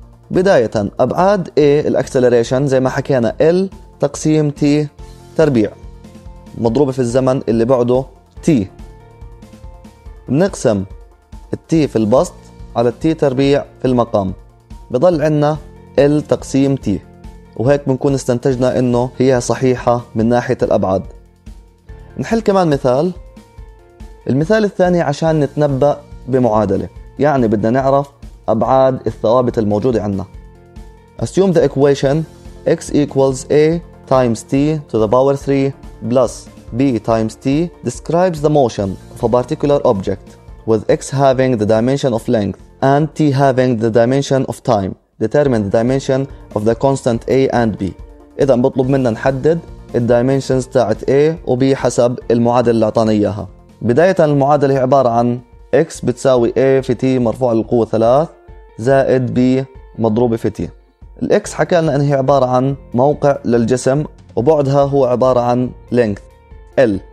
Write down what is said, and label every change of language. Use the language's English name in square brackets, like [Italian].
[Arabic] بداية أبعاد A الأكسلريشن زي ما حكينا L تقسيم T تربيع مضروبة في الزمن اللي بعده T، بنقسم T في البسط على T تربيع في المقام، بضل عنا L تقسيم T، وهيك بنكون استنتجنا إنه هي صحيحة من ناحية الأبعاد. نحل كمان مثال. المثال الثاني عشان نتنبأ بمعادلة، يعني بدنا نعرف أبعاد الثوابت الموجودة عندنا. [English] Assume the equation x equals a times t to the power 3 plus b times t describes the motion of a particular object with x having the dimension of length and t having the dimension of time. Determine the dimension of the constant a and b. [Arabic] إذا بطلب منا نحدد الدايمنشنز تاعت A و B حسب المعادلة اللي اعطانا اياها. بداية المعادلة هي عبارة عن X بتساوي A في T مرفوع للقوة 3 زائد B مضروبة في T. ال X حكى لنا انها عبارة عن موقع للجسم، وبعدها هو عبارة عن length L.